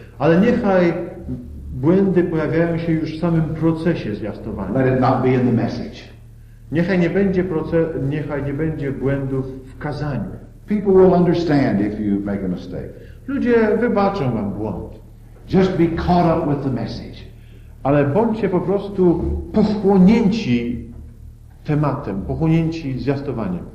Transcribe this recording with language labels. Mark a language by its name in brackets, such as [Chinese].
[Polish] Ale niechaj błędy pojawiają się już w samym procesie zwiastowania. [English] Let it not be in the message. [Polish] Niechaj nie będzie błędów w kazaniu. [English] People will understand if you make a mistake. [Polish] Ludzie wybaczą wam błąd. [English] Just be caught up with the message. [Polish] Ale bądźcie po prostu pochłonięci tematem, pochłonięci zwiastowaniem.